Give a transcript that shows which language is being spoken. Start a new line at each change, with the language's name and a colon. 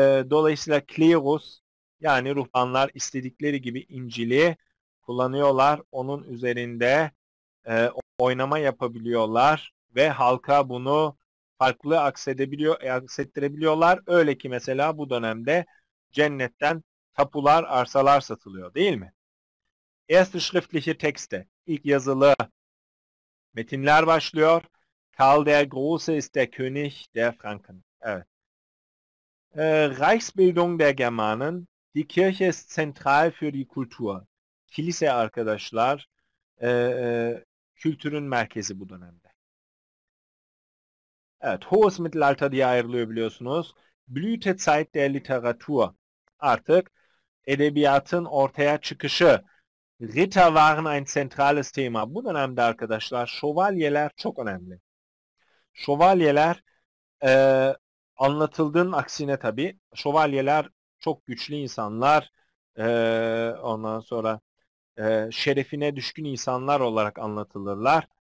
Turkish: Dolayısıyla klerus yani ruhbanlar istedikleri gibi İncil'i kullanıyorlar. Onun üzerinde oynama yapabiliyorlar ve halka bunu farklı aksettirebiliyorlar. Öyle ki mesela bu dönemde cennetten tapular, arsalar satılıyor, değil mi?
German: Erste schriftliche Texte,
Turkish: ilk yazılı metinler başlıyor.
German: Karl der Große ist der König der Franken.
Turkish: Evet.
German: Reichsbildung der Germanen, die Kirche ist zentral für die Kultur.
Turkish: Kilise arkadaşlar, kültürün merkezi bu dönemde. Evet, hohes Mittelalter diye ayrılıyor biliyorsunuz.
German: Blütezeit der Literatur.
Turkish: Artık edebiyatın ortaya çıkışı.
German: Ritter waren ein zentrales Thema.
Turkish: Bu dönemde arkadaşlar şövalyeler çok önemli. Şövalyeler anlatıldığın aksine tabii. Şövalyeler çok güçlü insanlar. Ondan sonra şerefine düşkün insanlar olarak anlatılırlar.